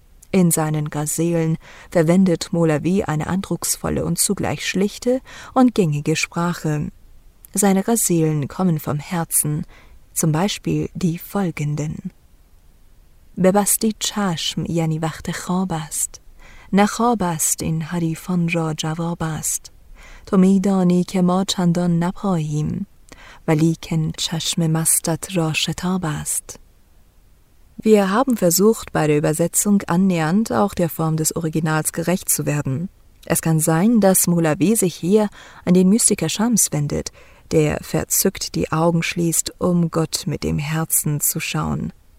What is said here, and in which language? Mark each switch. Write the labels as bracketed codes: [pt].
[de] In seinen Gazelen verwendet Molavi eine andrucksvolle und zugleich schlichte und gängige Sprache. Seine Gazelen kommen vom Herzen, zum Beispiel die folgenden: [fa] Bebasti chashm yani vachte khobast, nakhobast in harifonjo javobast. تو می دانی که ما چندان نپاییم ولی کن چشم مستت را شتاب است. [de] Wir haben versucht, bei der Übersetzung annähernd auch der Form des Originals gerecht zu werden. Es kann sein, dass Molavi sich hier an den Mystiker Shams wendet, der verzückt die Augen schließt, um Gott mit dem Herzen zu schauen.